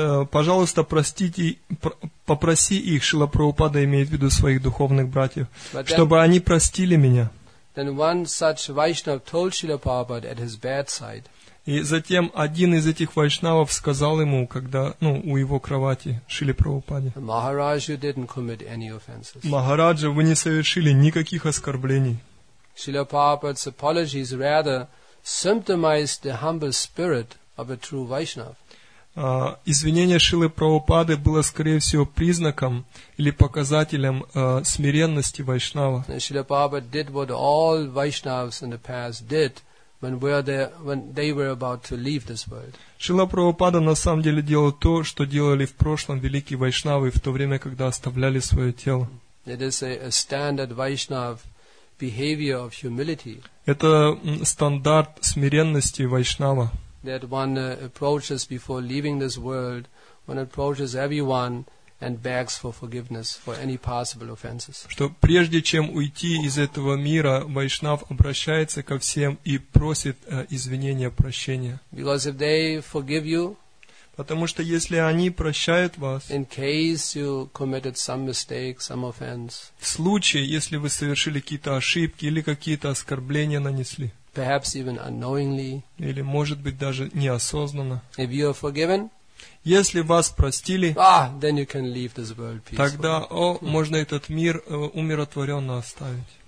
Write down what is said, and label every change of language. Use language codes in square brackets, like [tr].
[ru] Пожалуйста, простите, попроси их, Шрила Прабхупада имеет в виду своих духовных братьев, чтобы они простили меня. [en] Then one such Vaishnav told Srila Prabhupada at his bedside. [ru] И затем один из этих вайшнавов сказал ему, когда, ну, у его кровати, Шриле Прабхупаде. [en] Maharaja, you didn't commit any offenses. [ru] Махараджа, вы не совершили никаких оскорблений. [en] Srila Prabhupada's apologies rather symptomized the humble spirit of a true Vaishnav. [ru] Извинение Шрилы Прабхупады было, скорее всего, признаком или показателем смиренности вайшнава. [en] Srila Prabhupada did what all Vaishnavs in the past did. When they were about to leave this world. [ru] Шрила Прабхупада на самом деле делал то, что делали в прошлом великие вайшнавы в то время, когда оставляли свое тело. [en] It is a standard Vaishnav behavior of humility. [ru] Это стандарт смиренности вайшнава. [en] That one approaches before leaving this world, one approaches everyone and begs for forgiveness for any possible offenses. [ru] Что прежде чем уйти из этого мира, вайшнав обращается ко всем и просит извинения, прощения. [en] Because if they forgive you, [ru] потому что если они прощают вас, [en] in case you committed some mistake, some offense, [ru] в случае, если вы совершили какие-то ошибки или какие-то оскорбления нанесли, [en] perhaps even unknowingly, [ru] или может быть даже неосознанно, [en] if you are forgiven, [ru] если вас простили, [en] then you can leave this world peacefully. [ru] Тогда можно этот мир умиротворенно оставить.